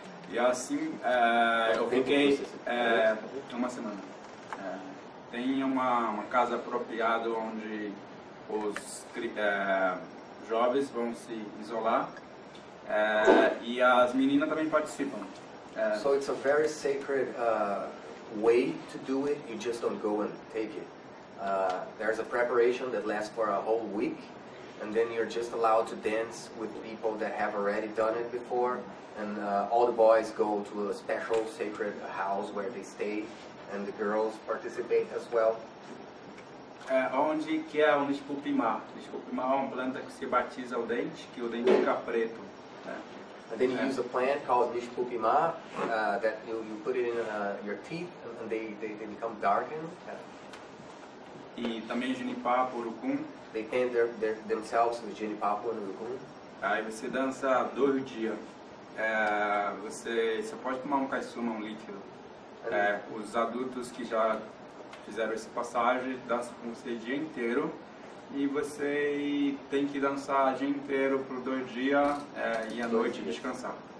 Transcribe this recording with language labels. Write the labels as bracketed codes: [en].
[pt] E assim, eu fiquei uma semana. Tem uma casa apropriada onde os jovens vão se isolar, e as meninas também participam. [en] So it's a very sacred way to do it, you just don't go and take it. There's a preparation that lasts for a whole week, and then you're just allowed to dance with people that have already done it before, and all the boys go to a special sacred house where they stay, and the girls participate as well. [pt] Onde que é o nispupimar? Nispupimar é uma planta que se batiza o dente, que o dente fica preto. [en] And then you use a plant called nispupimar, that you put it in your teeth, and they become darkened. [pt] E também jenipapo, urucum. [en] They paint themselves with jenipapo and urucum. [pt] Aí você dança dois dias. Você pode tomar um caissuma, um líquido. Os adultos que já fizeram essa passagem dançam com você o dia inteiro. E você tem que dançar o dia inteiro por dois dias e à noite descansar.